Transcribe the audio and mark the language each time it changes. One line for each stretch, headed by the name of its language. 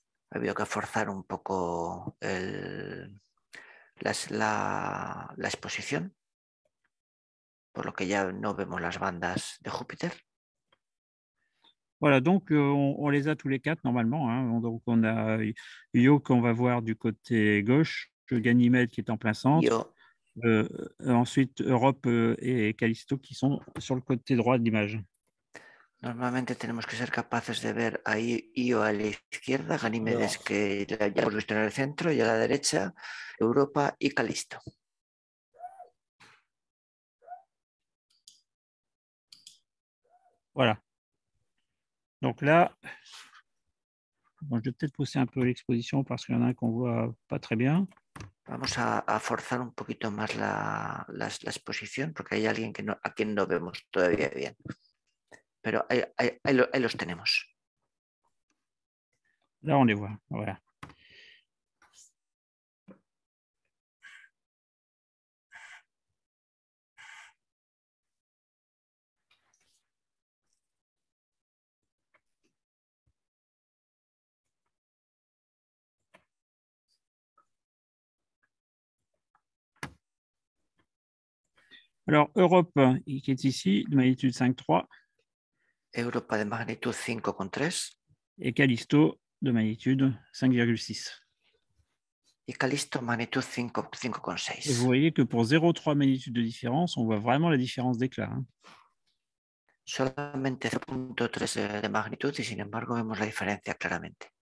Spanish: Había que forzar un poco la exposición, por lo que ya no vemos las bandas de Júpiter.
French: Voilà, donc on les a tous les quatre normalement, hein. Donc on a Io qu'on va voir du côté gauche, Ganymède qui est en plein centre,
Spanish: Yo.
French: ensuite Europe et Callisto qui sont sur le côté droit de l'image.
Spanish: Normalmente tenemos que ser capaces de ver a Io a la izquierda, Ganímedes
French: Alors.
Spanish: que ya hemos visto en el centro y a la derecha, Europa y Calisto.
French: Voilà. Donc là, bon, je vais peut-être pousser un peu l'exposition parce qu'il y en a un qu'on voit pas très bien.
Spanish: Vamos a forzar un poquito más la exposición porque hay alguien que no, a quien no vemos todavía bien. Pero ahí los tenemos.
French: Là, on les voit. Voilà. Alors, Europe, qui est ici, de magnitude 5,3,
Spanish: Europa de magnitud 5,3
French: et Callisto, de magnitude 5,6.
Spanish: y Calisto magnitud 5,5,6.
French: Et vous voyez que pour 0,3 magnitude de différence, on voit vraiment la différence d'éclat. Hein.
Spanish: Solamente 0,3 de magnitud y sin embargo vemos la diferencia claramente.